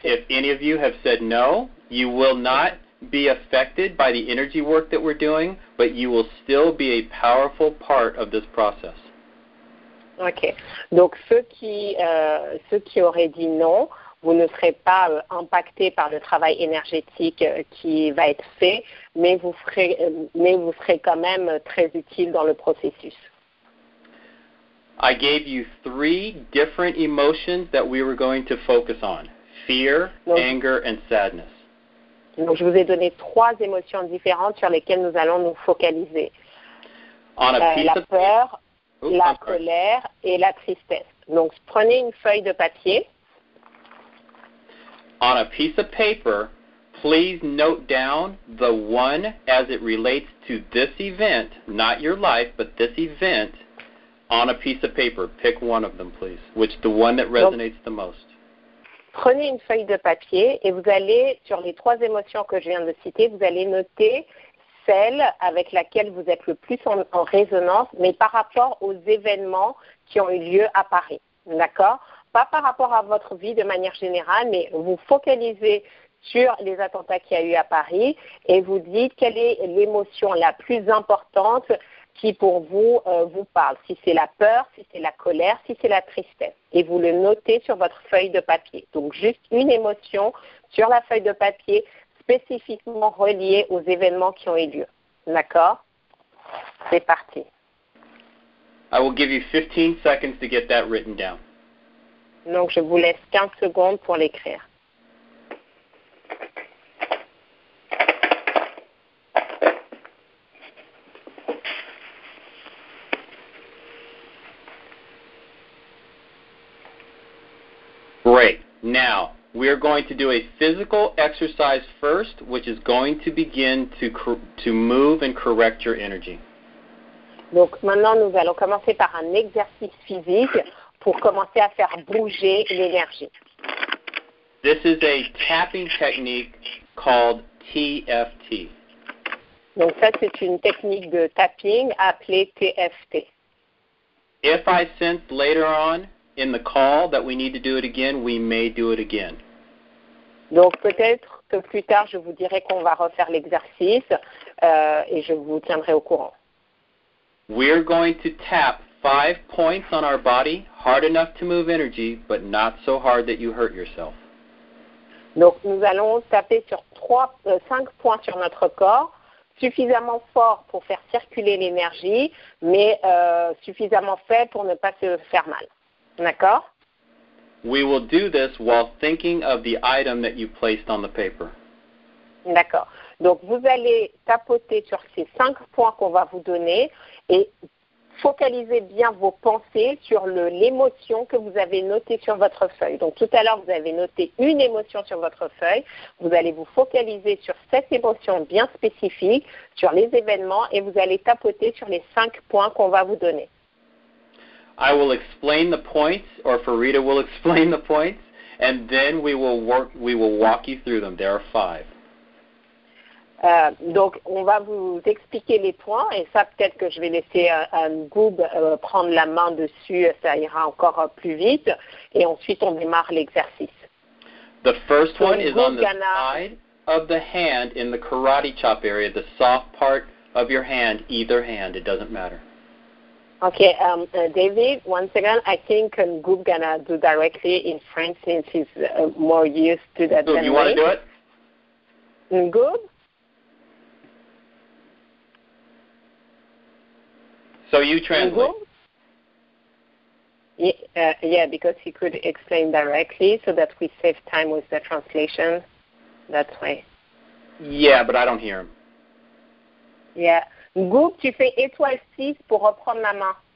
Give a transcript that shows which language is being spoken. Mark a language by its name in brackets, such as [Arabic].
[English] If any of you have said no, you will not be affected by the energy work that we're doing, but you will still be a powerful part of this process. OK. [French] Donc, ceux qui auraient dit non, vous ne serez pas impacté par le travail énergétique qui va être fait, mais vous serez quand même très utile dans le processus. [English] I gave you three different emotions that we were going to focus on. Fear, [French] donc, [English] anger, and sadness. [French] Donc, je vous ai donné trois émotions différentes sur lesquelles nous allons nous focaliser. [English] On a piece [French] la [English] of [French] peur, Oops, la colère et la tristesse. Donc, prenez une feuille de papier. [English] On a piece of paper, please note down the one as it relates to this event, not your life, but this event, on a piece of paper. Pick one of them, please, which the one that resonates the most. [French] Prenez une feuille de papier et vous allez, sur les trois émotions que je viens de citer, vous allez noter celle avec laquelle vous êtes le plus en résonance, mais par rapport aux événements qui ont eu lieu à Paris, d'accord? Pas par rapport à votre vie de manière générale, mais vous focalisez sur les attentats qu'il y a eu à Paris et vous dites quelle est l'émotion la plus importante qui pour vous vous parle, si c'est la peur, si c'est la colère, si c'est la tristesse. Et vous le notez sur votre feuille de papier. Donc juste une émotion sur la feuille de papier spécifiquement reliée aux événements qui ont eu lieu. D'accord? C'est parti. [English] I will give you 15 seconds to get that written down. [French] Donc je vous laisse 15 secondes pour l'écrire. [English] Great. Now, we are going to do a physical exercise first, which is going to begin to move and correct your energy. [French] Donc, maintenant, nous allons commencer par un exercice physique pour commencer à faire bouger l'énergie. [English] This is a tapping technique called TFT. [French] Donc, ça, c'est une technique de tapping appelée TFT. [English] If I sense later on in the call that we need to do it again, we may do it again. [French] Donc peut-être que plus tard je vous dirai qu'on va refaire l'exercice et je vous tiendrai au courant. [English] We're going to tap 5 points on our body, hard enough to move energy, but not so hard that you hurt yourself. [French] Donc nous allons taper sur 5 points sur notre corps, suffisamment fort pour faire circuler l'énergie, mais suffisamment faible pour ne pas se faire mal. D'accord? [English] We will do this while thinking of the item that you placed on the paper. [French] D'accord. Donc, vous allez tapoter sur ces 5 points qu'on va vous donner et focalisez bien vos pensées sur l'émotion que vous avez notée sur votre feuille. Donc, tout à l'heure, vous avez noté une émotion sur votre feuille. Vous allez vous focaliser sur cette émotion bien spécifique, sur les événements, et vous allez tapoter sur les 5 points qu'on va vous donner. [English] I will explain the points, or Farida will explain the points, and then we will walk you through them. There are 5. [French] Donc, on va vous expliquer les points, et ça, peut-être que je vais laisser Goob prendre la main dessus, ça ira encore plus vite, et ensuite, on démarre l'exercice. [English] The first one is on the side of the hand in the karate chop area, the soft part of your hand, either hand, it doesn't matter. Okay, David, one second. I think Goob gonna do directly in French since he's more used to that. Goob, than you want to do it? Goob? So you translate. Goob? Yeah, because he could explain directly so that we save time with the translation. That's why. Yeah, but I don't hear him. Yeah. [French] Goop, tu fais étoile 6 pour reprendre la main.